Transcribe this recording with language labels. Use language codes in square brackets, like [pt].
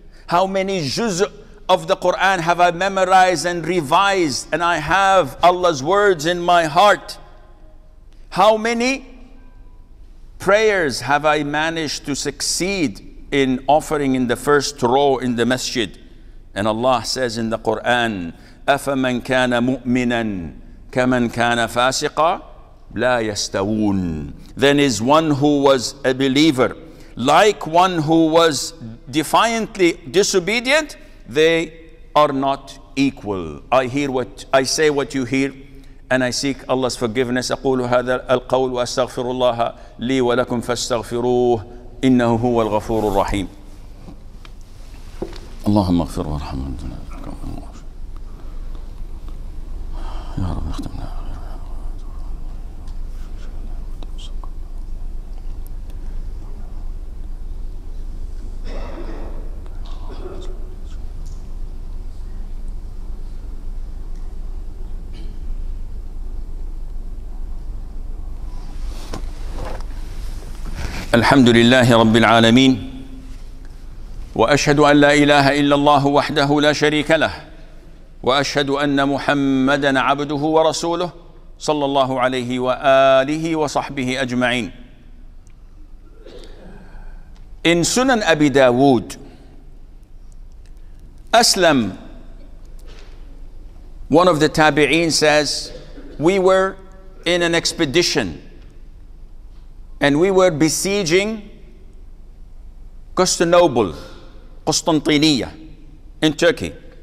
[en] How many juz' of the Quran have I memorized and revised, and I have Allah's words in my heart? How many prayers have I managed to succeed in offering in the first row in the masjid? And Allah says in the Quran, [ar] أَفَمَنْ كَانَ مُؤْمِنًا كَمَنْ كَانَ فَاسِقًا لَا يَسْتَوُونَ. [en] Then is one who was a believer like one who was defiantly disobedient? They are not equal. I say what you hear, and I seek Allah's forgiveness. [ar] أقول هذا القول وأستغفر الله لي ولكم فاستغفروه إنه هو الغفور الرحيم. اللهم اغفر وارحم وانتنا بكم أمور يا رب اختمنا. الحمد لله رب العالمين، وأشهد أن لا إله إلا الله وحده لا شريك له، وأشهد أن محمدًا عبده ورسوله صلى الله عليه وآله وصحبه أجمعين. إن سنن أبي داود أسلم، [en] one of the تابعين says, we were in an expedition and we were besieging Constantinople, Constantinople in Turkey.